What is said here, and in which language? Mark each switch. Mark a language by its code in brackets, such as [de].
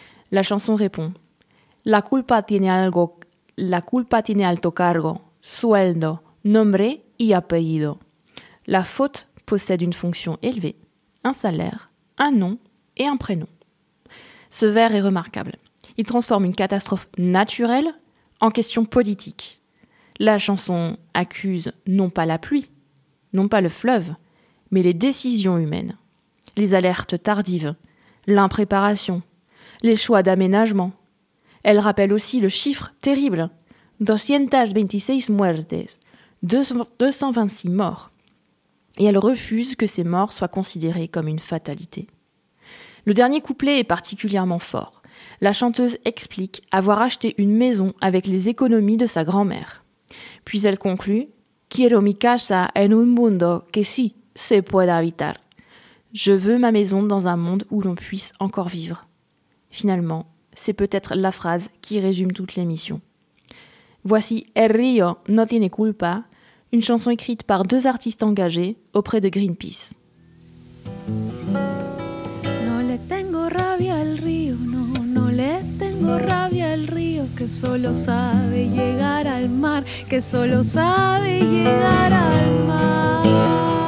[fr] La chanson répond: [es] La culpa tiene alto cargo, sueldo, nombre y apellido. [fr] La faute possède une fonction élevée, un salaire, un nom et un prénom. Ce vers est remarquable. Il transforme une catastrophe naturelle en question politique. La chanson accuse non pas la pluie, non pas le fleuve, mais les décisions humaines, les alertes tardives, l'impréparation, les choix d'aménagement. Elle rappelle aussi le chiffre terrible, [es] 226 muertes, [fr] 226 morts. Et elle refuse que ces morts soient considérées comme une fatalité. Le dernier couplet est particulièrement fort. La chanteuse explique avoir acheté une maison avec les économies de sa grand-mère. Puis elle conclut: [es] Quiero mi casa en un mundo que sí se puede habitar. [fr] Je veux ma maison dans un monde où l'on puisse encore vivre. Finalement, c'est peut-être la phrase qui résume toute l'émission. Voici El Río No Tiene Culpa, une chanson écrite par deux artistes engagés auprès de Greenpeace. [es] No le tengo rabia al río, no, no le tengo rabia al río, que solo sabe llegar al mar, que solo sabe llegar al mar.